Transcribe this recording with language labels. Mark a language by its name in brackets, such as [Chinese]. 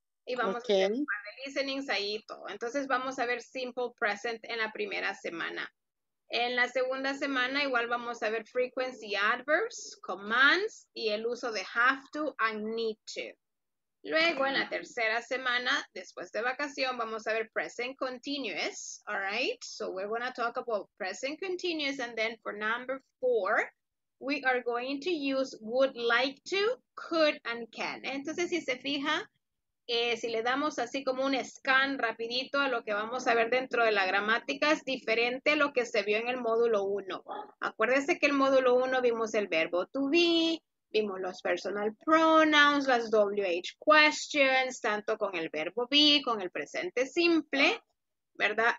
[Spanish] Y vamos okay. a hacer un par de listenings ahí y todo. Entonces, vamos a ver Simple Present en la primera semana. En la segunda semana igual vamos a ver frequency adverbs, commands y el uso de have to and need to. Luego en la tercera semana, después de vacación, vamos a ver present continuous. [English] All right, so we're going to talk about present continuous. And then for number 4, we are going to use would like to, could and can. [Spanish] Entonces si se fija, si le damos así como un scan rapidito a lo que vamos a ver dentro de la gramática, es diferente a lo que se vio en el módulo 1. Acuérdese que el módulo 1 vimos el verbo to be, vimos los personal pronouns, las WH questions, tanto con el verbo be, con el presente simple, ¿verdad?